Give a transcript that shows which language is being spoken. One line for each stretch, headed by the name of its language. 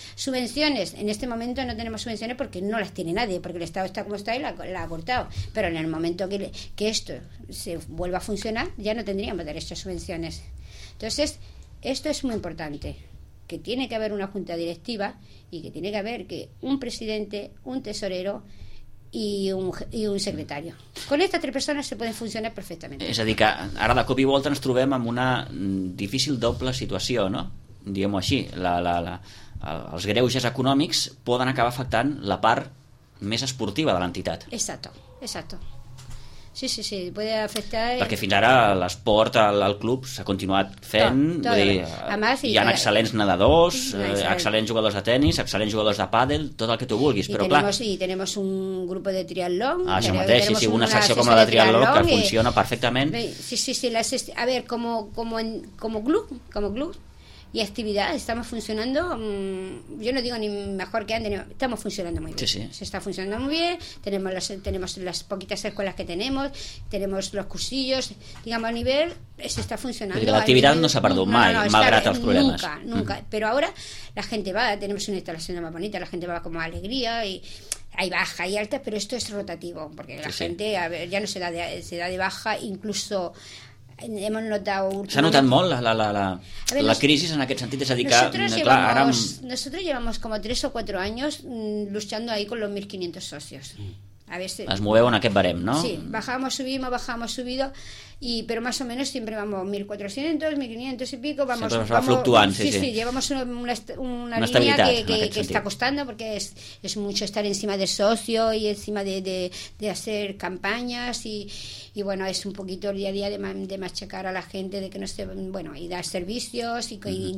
Spanish: Subvenciones, en este momento no tenemos subvenciones porque no las tiene nadie, porque el Estado está como está y la ha cortado, pero en el momento que esto se vuelva a funcionar, ya no tendríamos derecho a subvenciones. Entonces, esto es muy importante, que tiene que haber una junta directiva y que tiene que haber que un presidente, un tesorero y un secretario. Con estas tres persones se pueden funcionar perfectamente.
Catalan: És a dir, que ara de cop i volta ens trobem amb una difícil doble situació, no? Diguem-ho així, els greuges econòmics poden acabar afectant la part més esportiva de l'entitat.
Spanish: Exacto, exacto. Sí, sí, sí, puede afectar...
Catalan: Perquè fins ara l'esport al club s'ha continuat fent, hi ha excel·lents nedadors, excel·lents jugadors de tenis, excel·lents jugadors de pàdel, tot el que tu vulguis, però clar...
Spanish: I tenemos un grup de triatlón...
Catalan: Això mateix, sí, una secció com la de triatlón que funciona perfectament...
Spanish: Sí, sí, sí, a ver, como club y actividad, estamos funcionando, yo no digo ni mejor que antes, estamos funcionando muy bien. Sí, sí. Se está funcionando muy bien, tenemos las poquitas escuelas que tenemos los cursillos, digamos, a nivel, se está funcionando. Pero la actividad no se ha perdido malgrado los problemas. Nunca, pero ahora la gente va, tenemos una instalación más bonita, la gente va con más alegría y... Hay baja y alta, pero esto es rotativo, porque la gente a ver, ya no se da de baja, incluso... Hemos notado
Catalan: s'ha notat molt la crisis en aquest sentit, és a dir,
Spanish: nosotros llevamos como 3 o 4 años luchando ahí con los 1.500 socios. A veces es mueve en
Catalan: aquest barem,
Spanish: ¿no? Sí, bajamos, subimos y pero más o menos siempre vamos 1.400, 1.500 y pico, vamos
Catalan: fluctuant, sí, sí.
Spanish: Sí, llevamos una línea que está costando porque es mucho estar encima del socio y encima de hacer campañas y bueno, es un poquito el día a día de machacar a la gente de que no esté, bueno, y dar servicios y uh-huh.